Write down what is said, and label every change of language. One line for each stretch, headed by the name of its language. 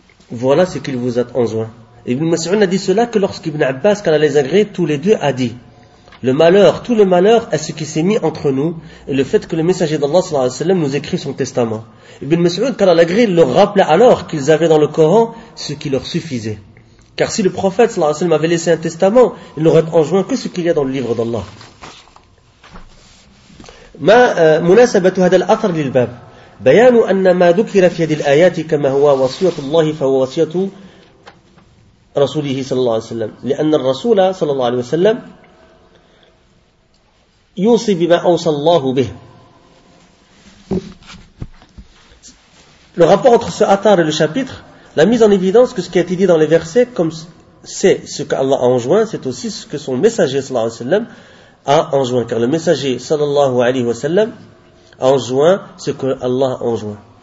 French: Voilà ce qu'il vous a enjoint. Ibn Mas'ud a dit cela que lorsqu'Ibn Abbas, quand elle les agréé, tous les deux a dit le malheur, tout le malheur est ce qui s'est mis entre nous et le fait que le messager d'Allah sallallahu alayhi wa sallam nous écrit son testament. Ibn Mas'ud, quand elle a agréé, leur rappelait alors qu'ils avaient dans le Coran ce qui leur suffisait. Car si le prophète sallallahu alayhi wa sallam avait laissé un testament, il n'aurait enjoint que ce qu'il y a dans le livre d'Allah.
Arabic: ما مناسبة هذا الأثر للباب بيان أن ما ذكر في هذه الآيات كما هو وصية الله فهو وصية رسوله صلى الله عليه وسلم لأن الرسول صلى الله عليه وسلم يوصي بما أوصى الله به.
French: Le rapport entre ce atar et le chapitre, la mise en évidence que ce qui a été dit dans les versets, comme c'est ce qu'Allah a enjoint, c'est aussi ce que son messager صلى الله عليه وسلم a enjoint, car le messager sallallahu alayhi wa sallam a enjoint ce que Allah a enjoint.